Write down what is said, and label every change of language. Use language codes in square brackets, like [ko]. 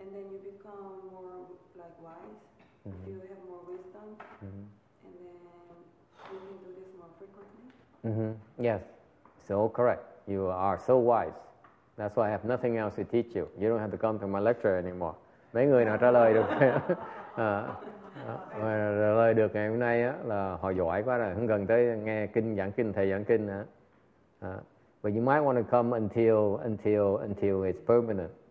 [en] and then you become more like wise. Mm-hmm. You have more wisdom, mm-hmm. and then you can do this So correct. You are so wise. That's why I have nothing else to teach you. You don't have to come to my lecture anymore. [vi] Mấy người nào trả lời được trả lời được ngày hôm nay á là họ giỏi quá rồi, không cần tới nghe kinh giảng kinh thầy giảng kinh nữa. [en] But you might want to come until it's permanent.